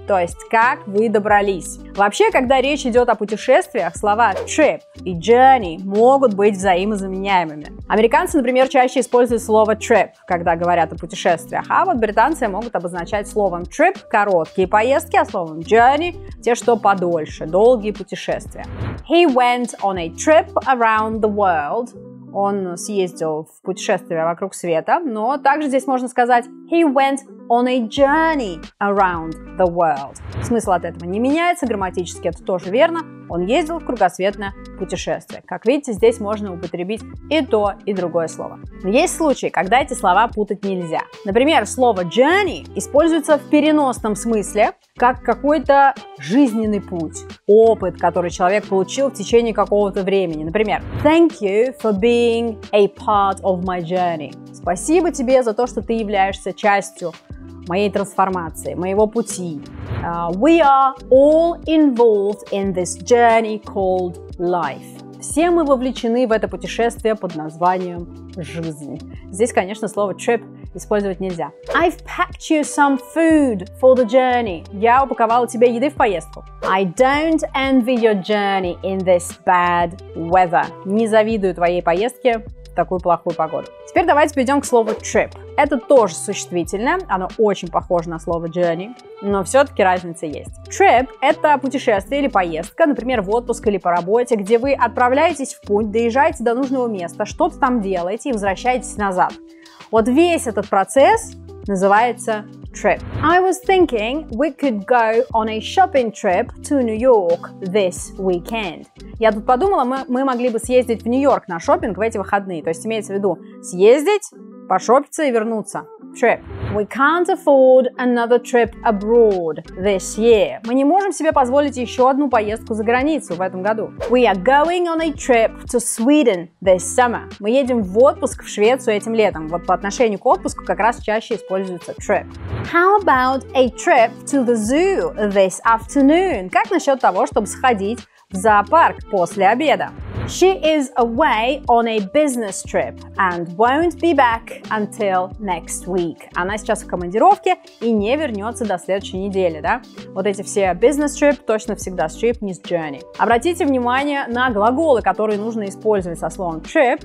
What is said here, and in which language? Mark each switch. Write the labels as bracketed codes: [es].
[ru] То есть, как вы добрались? Вообще, когда речь идет о путешествиях, слова trip и journey могут быть взаимозаменяемыми. Американцы, например, чаще используют слово trip, когда говорят о путешествиях. А вот британцы могут обозначать словом trip короткие поездки, а словом journey те, что подольше, долгие путешествия. [en] He went on a trip around the world. [ru] Он съездил в путешествие вокруг света, но также здесь можно сказать [en] he went on a journey around the world. [ru] Смысл от этого не меняется, грамматически это тоже верно. Он ездил в кругосветное путешествие. Как видите, здесь можно употребить и то, и другое слово. Но есть случаи, когда эти слова путать нельзя. Например, слово journey используется в переносном смысле, как какой-то жизненный путь, опыт, который человек получил в течение какого-то времени. Например, [en] thank you for being a part of my journey. [ru] Спасибо тебе за то, что ты являешься частью моей трансформации, моего пути. [en] We are all involved in this journey called life. [ru] Все мы вовлечены в это путешествие под названием жизнь. Здесь, конечно, слово trip использовать нельзя. [en] I've packed you some food for the journey. [ru] Я упаковала тебе еды в поездку. [en] I don't envy your journey in this bad weather. [ru] Не завидую твоей поездке в такую плохую погоду. Теперь давайте перейдем к слову trip. Это тоже существительное, оно очень похоже на слово journey, но все-таки разница есть. Trip – это путешествие или поездка, например, в отпуск или по работе, где вы отправляетесь в путь, доезжаете до нужного места, что-то там делаете и возвращаетесь назад. Вот весь этот процесс называется trip. [en] I was thinking we could go on a shopping trip to New York this weekend. [ru] Я тут подумала, мы могли бы съездить в Нью-Йорк на шопинг в эти выходные. То есть имеется в виду съездить, пошопиться и вернуться. [en] Trip. We can't afford another trip abroad this year. [ru] Мы не можем себе позволить еще одну поездку за границу в этом году. [en] We are going on a trip to Sweden this summer. [ru] Мы едем в отпуск в Швецию этим летом. Вот по отношению к отпуску как раз чаще используется trip. [en] How about a trip to the zoo this afternoon? [ru] Как насчет того, чтобы сходить в зоопарк после обеда? [en] She is away on a business trip and won't be back until next week. [ru] Она сейчас в командировке и не вернется до следующей недели, да? Вот эти все business trip точно всегда с trip, не с journey. Обратите внимание на глаголы, которые нужно использовать со словом trip.